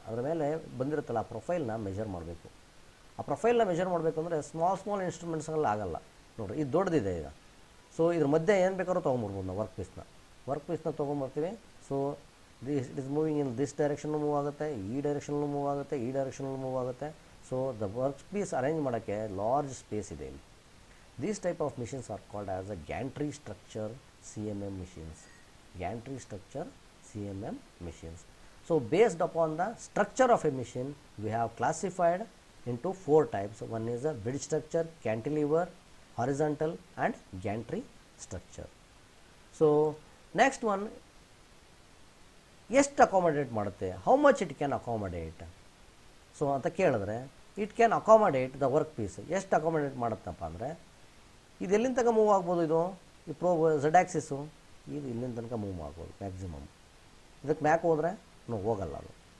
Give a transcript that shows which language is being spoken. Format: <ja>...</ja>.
<kn>ಅದ್ರ ಮೇಲೆ ಬಂದಿರುತ್ತಲ್ಲ, ಆ ಪ್ರೊಫೈಲ್ನ ಮೆಷರ್ ಮಾಡಬೇಕು. ಆ ಪ್ರೊಫೈಲ್ನ ಮೆಷರ್ ಮಾಡಬೇಕು ಅಂದರೆ ಸ್ಮಾಲ್ ಸ್ಮಾಲ್ ಇನ್ಸ್ಟ್ರೂಮೆಂಟ್ಸ್ಗಳಲ್ಲಿ ಆಗೋಲ್ಲ ನೋಡ್ರಿ. ಇದು ದೊಡ್ಡದಿದೆ ಈಗ. ಸೊ ಇದ್ರ ಮಧ್ಯೆ ಏನು ಬೇಕಾದ್ರೂ ತೊಗೊಂಬಿಡ್ಬೋದು ನಾವು work ಪೀಸ್ನ. Work ಪೀಸ್ನ ತೊಗೊಂಬರ್ತೀವಿ.</kn> <en>so this it is moving in this direction</en> <kn>move ಆಗುತ್ತೆ, ಈ ಡೈರೆಕ್ಷನಲ್ಲೂ ಮೂವ್ ಆಗುತ್ತೆ, ಈ ಡೈರೆಕ್ಷನಲ್ಲೂ ಮೂವ್ ಆಗುತ್ತೆ.</kn> <en>So the workpiece arrangement is a large space. These type of machines are called as a gantry structure CMM machines. Gantry structure CMM machines. So based upon the structure of a machine, we have classified into four types. One is a bridge structure, cantilever, horizontal and gantry structure. So next one,</en> <kn>ಎಷ್ಟು accommodate ಮಾಡುತ್ತೆ,</kn> <en>how much it can accommodate</en> <kn>so ಅಂತ ಕೇಳಿದ್ರೆ,</kn> <en>it can accommodate the work piece,</en> <kn>ಎಷ್ಟು accommodate ಮಾಡುತ್ತಪ್ಪ ಅಂದರೆ ಇದು ಎಲ್ಲಿಂದ ತನಕ move ಆಗ್ಬೋದು, ಇದು ಈ ಪ್ರೋ ಝಡ್ ಆಕ್ಸಿಸು, ಇದು ಇಲ್ಲಿಂದ ತನಕ ಮೂವ್ ಆಗ್ಬೋದು ಮ್ಯಾಕ್ಸಿಮಮ್, ಇದಕ್ಕೆ ಮ್ಯಾಕ್ ಹೋದ್ರೆ ನೋವು ಹೋಗಲ್ಲ ಅದು.</kn>